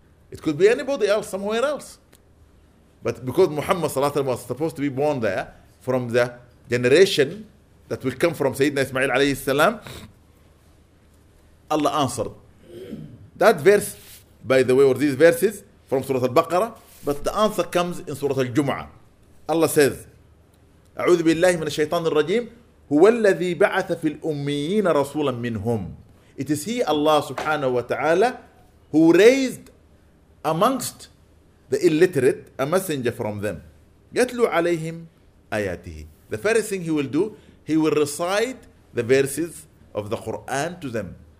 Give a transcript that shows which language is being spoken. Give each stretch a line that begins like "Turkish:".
English: It could be anybody else, somewhere else. But because Muhammad sallallahu alayhi wa sallam was supposed to be born there from the generation that will come from Sayyidina Ismail alayhi salam, Allah answered. That verse, by the way, were these verses from Surah Al-Baqarah, but the answer comes in Surah Al-Jum'ah. Allah says,
Arabic: أعوذ بالله من الشيطان الرجيم هو الذي بعث في الأميين رسولا منهم.
English: It is He, Allah subhanahu wa ta'ala, who raised amongst the illiterate a messenger from them.
Arabic: يتلو عليهم آياته.
English: The first thing he will do, he will recite the verses of the Quran to them